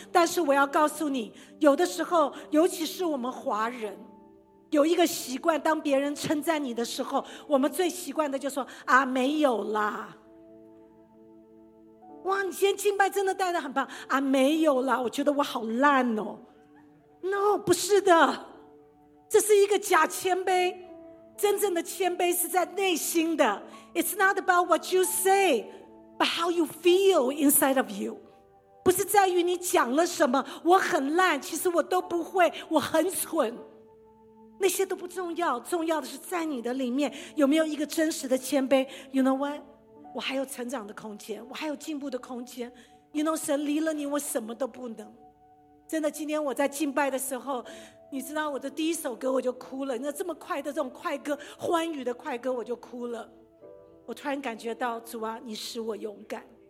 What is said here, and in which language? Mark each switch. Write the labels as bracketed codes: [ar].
[zh] 但是我要告诉你，有的时候尤其是我们华人有一个习惯，当别人称赞你的时候，我们最习惯的就说啊，没有啦，哇，你今天敬拜真的带得很棒啊，没有啦，我觉得我好烂哦。 No， 不是的，这是一个假谦卑。真正的谦卑是在内心的。 [en] It's not about what you say but how you feel inside of you。 [zh] 不是在于你讲了什么，我很烂，其实我都不会，我很蠢，那些都不重要，重要的是在你的里面有没有一个真实的谦卑。 [en] You know what， [zh] 我还有成长的空间，我还有进步的空间。 You know， 神离了你我什么都不能。真的，今天我在敬拜的时候，你知道我的第一首歌我就哭了，那这么快的这种快歌，欢愉的快歌，我就哭了。我突然感觉到，主啊，你使我勇敢。